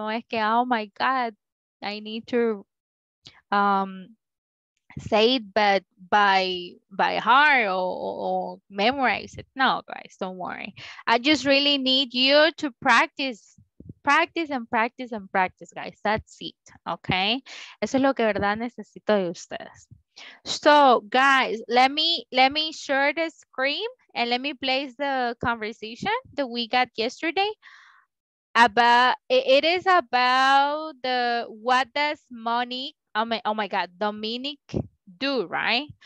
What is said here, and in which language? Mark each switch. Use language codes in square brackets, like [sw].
[es] No es que, [en] oh my God, I need to say it but by heart or memorize it. No, guys, don't worry. I just really need you to practice, guys. That's it, okay? [es] Eso es lo que verdad necesito de ustedes. [en] So, guys, let me share the screen and let me place the conversation that we got yesterday. It is about the what does Monique, oh my God, Dominique do, right?